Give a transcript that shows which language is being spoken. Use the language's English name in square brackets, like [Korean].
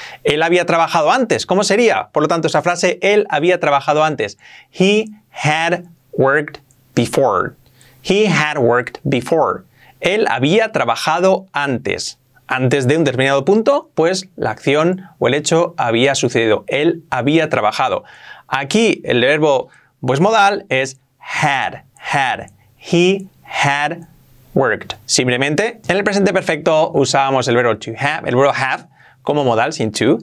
[Spanish] Él había trabajado antes, ¿cómo sería? Por lo tanto, esa frase, él había trabajado antes, [English] he had worked before, he had worked before. [Spanish] Él había trabajado antes. Antes de un determinado punto, pues la acción o el hecho había sucedido. Él había trabajado. Aquí el verbo pues modal es had, had. [English] He had worked. [Spanish] Simplemente en el presente perfecto usábamos el verbo to have, el verbo have como modal sin to.